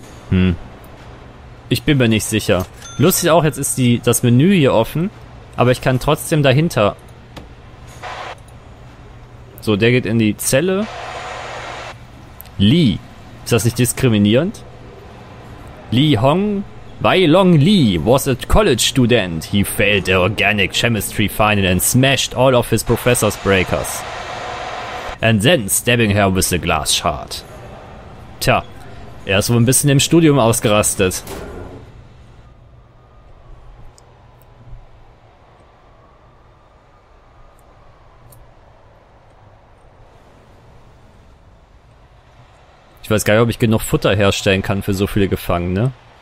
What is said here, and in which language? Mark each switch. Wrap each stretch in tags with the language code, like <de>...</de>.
<de>Hm. Ich bin mir nicht sicher. Lustig auch, jetzt ist das Menü hier offen. Aber ich kann trotzdem dahinter. So, der geht in die Zelle. Lee. Ist das nicht diskriminierend? Lee Hong.</de> <en>Wai Long Lee was a college student. He failed the organic chemistry final and smashed all of his professor's breakers. And then stabbing her with a glass shard.</en> <de>Tja, er ist wohl ein bisschen im Studium ausgerastet. Ich weiß gar nicht, ob ich genug Futter herstellen kann für so viele Gefangene.</de>